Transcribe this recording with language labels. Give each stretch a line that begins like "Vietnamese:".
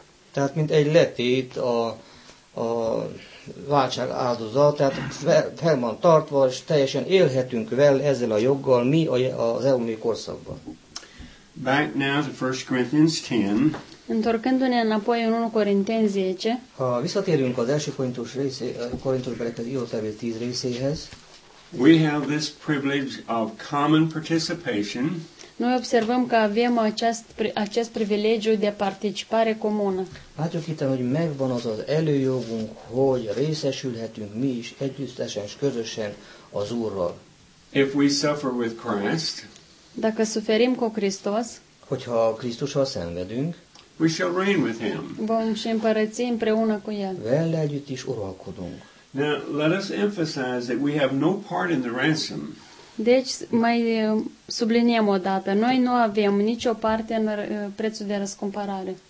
Hungarian: Tehát mint egy letét a váltság áldozat, tehát fel van tartva, és teljesen élhetünk vele ezzel a joggal mi az elmúlt korszakban.
English: Back now to 1 Corinthians 10.
Romanian: Întorcându-ne înapoi în 1 Corinteni 10.
Hungarian: Ha, visszatérünk az első Korintusbeli írótevél 10 részéhez.
English: We have this privilege of common participation.
Romanian: Noi observăm că avem acest privilegiu de participare comună.
Hungarian: Látjuk itt, hogy megvan az előjogunk, hogy részesülhetünk mi is együttesen és közösen az Úrral.
English: If we suffer with Christ,
Romanian: dacă suferim cu Hristos,
Hungarian: hogyha Krisztussal szenvedünk,
English: we shall reign with him.
Romanian: Vom și împărăți împreună cu el.
Hungarian: Vele együtt is uralkodunk.
English: Now, let us emphasize that we have no part in the ransom.
Romanian: Deci, mai subliniem o dată. Noi nu avem nicio parte în prețul de răscumpărare.